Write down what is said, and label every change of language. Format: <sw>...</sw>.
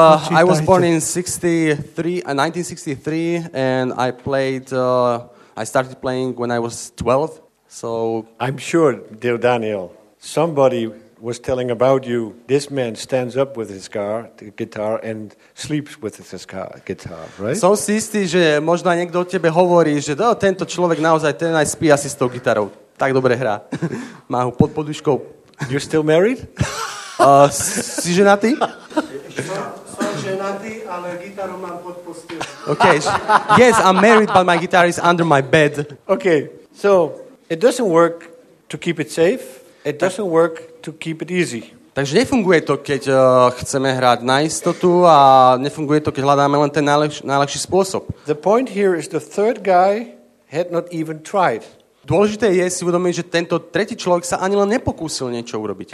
<en>I was born in 1963 and I played I started playing when I was 12. So I'm sure, dear Daniel, somebody was telling about you. This man stands up with his guitar and sleeps with his guitar, right?</en> <sk>Som si istý, že možno aj niekto o tebe hovorí, že tento človek naozaj ten aj spí asi s tou gitarou. Tak dobre hrá. Má ho pod poduškou.</sk> <en>You're still married?</en> <sk>Si ženatý? Som ženatý, ale gitaru mám pod posteľou.</sk> <en>Okay. Yes, I'm married, but my guitar is under my bed. Okay. So, it doesn't work to keep it safe. It doesn't work to keep it easy.</en> <sk>Takže nefunguje to, keď chceme hrať na istotu a nefunguje to, keď hľadáme len ten najlepší spôsob.</sk> <en>The point here is the third guy had not even tried.</en> <sk>Dôležité je si uvedomiť, že tento tretí človek sa ani len nepokúsil niečo urobiť.</sk>